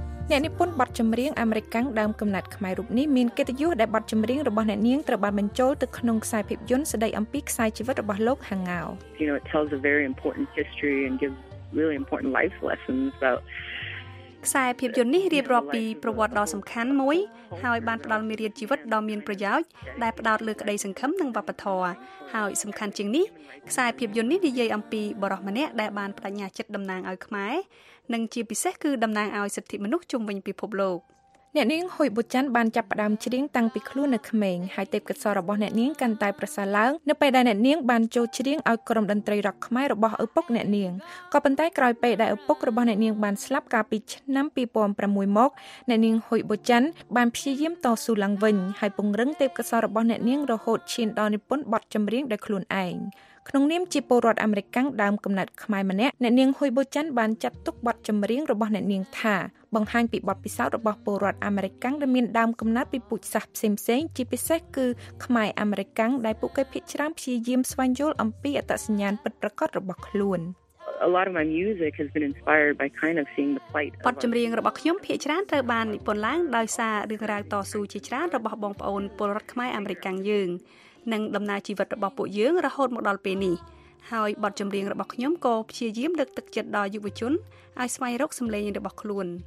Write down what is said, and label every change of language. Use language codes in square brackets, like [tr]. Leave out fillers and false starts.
[km] អ្នកនិពន្ធបទចម្រៀងអាមេរិកកាំងដើមកំណត់ខ្មែររូបនេះមានកិត្តិយសដែលបទចម្រៀងរបស់អ្នកនាងត្រូវបានបញ្ចូលទៅក្នុងខ្សែភាពយន្តស្តីអំពីខ្សែជីវិតរបស់លោក Hangao [en] You know it tells a very important history and gives really important life lessons about [km] ខ្សែភាពយន្តនេះរៀបរាប់ពីប្រវត្តិដ៏សំខាន់មួយហើយបានផ្ដល់មេរៀនជីវិតដ៏មានប្រយោជន៍ដែលផ្ដោតលើក្តីសង្ឃឹមនិងវប្បធម៌ហើយសំខាន់ជាងនេះខ្សែភាពយន្តនេះនិយាយអំពីបុរសម្នាក់ដែលបានបដិញ្ញាចិត្តតំណាងឲ្យខ្មែរ និងជាពិសេសគឺតំណាងឲ្យសិទ្ធិមនុស្សជុំវិញពិភពលោកអ្នកនាងហ៊ុយបុច័នបានចាប់ផ្ដើមច្រៀងតាំងពីខ្លួននៅក្មេងហើយទេពកោសល្យរបស់អ្នកនាងកាន់តែប្រសើរឡើងនៅពេលដែលអ្នកនាងបានចូលច្រៀងឲ្យក្រុមតន្ត្រីរ៉ក់ខ្មែររបស់ឪពុកអ្នកនាងក៏ប៉ុន្តែក្រោយពេលដែលឪពុករបស់អ្នកនាងបានស្លាប់កាលពីឆ្នាំ 2006មកអ្នកនាងហ៊ុយបុច័នបានព្យាយាមតស៊ូឡើងវិញហើយពង្រឹងទេពកោសល្យរបស់អ្នកនាងរហូតឈានដល់និពន្ធបទចម្រៀងដោយខ្លួនឯងក្នុងនាមជាពលរដ្ឋអាមេរិកកាំងដើមកំណើតខ្មែរម្នាក់អ្នកនាងហ៊ុយបូចាន់បានចាត់ទុកបទចម្រៀងរបស់អ្នកនាងថា បង្ហាញពីបទពិសោធន៍របស់ពលរដ្ឋអាមេរិកដែលមានដើមកំណើតពីពូជសាសន៍ផ្សេងៗជាពិសេសគឺខ្មែរអាមេរិកដែលពួកគេភាគច្រើនព្យាយាមស្វែងយល់អំពីអត្តសញ្ញាណពិតប្រាកដរបស់ខ្លួន [en] A lot of my music has been inspired by kind of seeing the plight [km] ពតចម្រៀងរបស់ខ្ញុំភាគច្រើនត្រូវបាននិពន្ធឡើងដោយសាររឿងរ៉ាវតស៊ូជាច្រើនរបស់បងប្អូនពលរដ្ឋខ្មែរអាមេរិកយើងនិងដំណើរជីវិតរបស់ពួកយើងរហូតមកដល់ពេលនេះហើយបទចម្រៀងរបស់ខ្ញុំក៏ព្យាយាមលើកទឹកចិត្តដល់យុវជនឲ្យស្វែងរកសម្លេងរបស់ខ្លួន